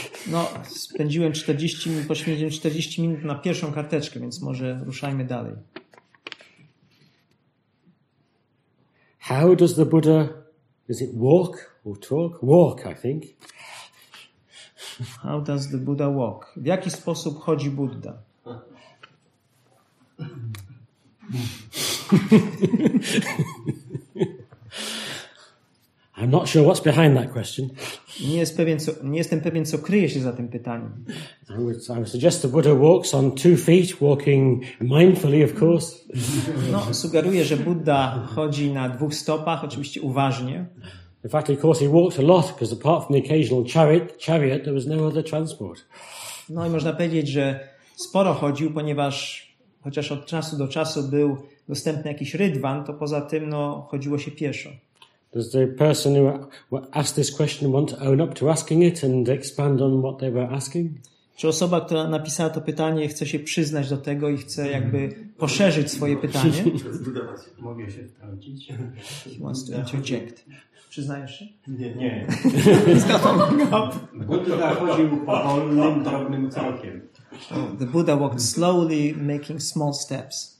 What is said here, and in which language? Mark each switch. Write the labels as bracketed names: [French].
[Polish] No, poświęciłem 40 minut na pierwszą karteczkę, więc może ruszajmy dalej. [English] How does the Buddha, is it walk or talk? Walk, I think. How does the Buddha walk? [Polish] W jaki sposób chodzi Buddha? [English] I'm not sure what's behind that question. [Polish] Nie jestem pewien, co kryje się za tym pytaniem. [English] I would suggest the Buddha walks on 2 feet, walking mindfully, of course. [Polish] No, sugeruję, że Buddha chodzi na 2 stopach, oczywiście uważnie. [English] In fact, of course, he walked a lot, because apart from the occasional chariot, there was no other transport. [Polish] No i można powiedzieć, że sporo chodził, ponieważ chociaż od czasu do czasu był dostępny jakiś rydwan, to poza tym no, chodziło się pieszo. [English] Does the person who asked this question want to own up to asking it and expand on what they were asking? [Polish] Czy osoba, która napisała to pytanie, chce się przyznać do tego i chce jakby poszerzyć swoje pytanie? Mogę się wtrącić. [English] He wants to interject. [Polish] Przyznajesz się? Nie. Buddha chodził powolnym, drobnym krokiem. [English] Oh, the Buddha walked slowly, making small steps.